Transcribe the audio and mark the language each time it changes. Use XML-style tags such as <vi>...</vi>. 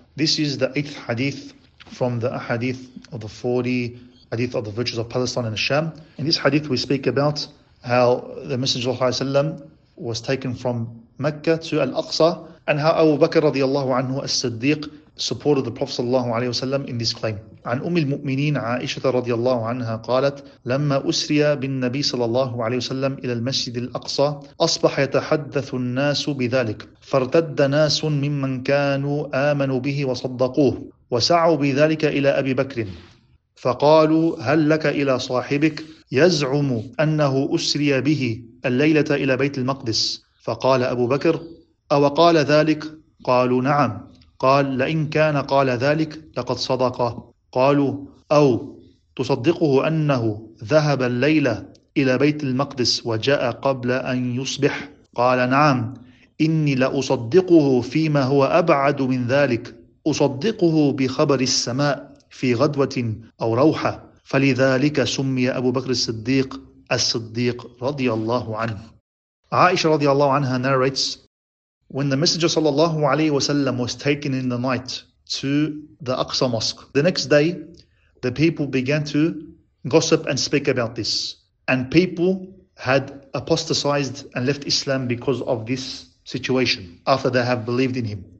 <en>This is the 8th Hadith from the Hadith of the 40 Hadith of the Virtues of Palestine and Al-Sham. In this Hadith we speak about how the Messenger of Allah was taken from Mecca to Al-Aqsa and how Abu Bakr radiallahu anhu as-Siddiq supported the Prophet sallallahu alaihi wasallam in this claim.</en> <ar>عن أم المؤمنين عائشة رضي الله عنها قالت لما أسرى بالنبي صلى الله عليه وسلم إلى المسجد الأقصى أصبح يتحدث الناس بذلك فارتد ناس ممن كانوا آمنوا به وصدقوه وسعوا بذلك إلى أبي بكر فقالوا هل لك إلى صاحبك يزعم أنه أسرى به الليلة إلى بيت المقدس فقال أبو بكر أو قال ذلك قالوا نعم قال لئن كان قال ذلك لقد صدق قالوا أو تصدقه أنه ذهب الليلة إلى بيت المقدس وجاء قبل أن يصبح قال نعم إني لأصدقه فيما هو أبعد من ذلك أصدقه بخبر السماء في غدوة أو روحة فلذلك سمي أبو بكر الصديق الصديق رضي الله عنه.</ar> <en>عائشة رضي الله عنها narrates, when the Messenger sallallahu alayhi wa sallam was taken in the night to the Aqsa Mosque, the next day the people began to gossip and speak about this, and people had apostatized and left Islam because of this situation after they have believed in him.</en>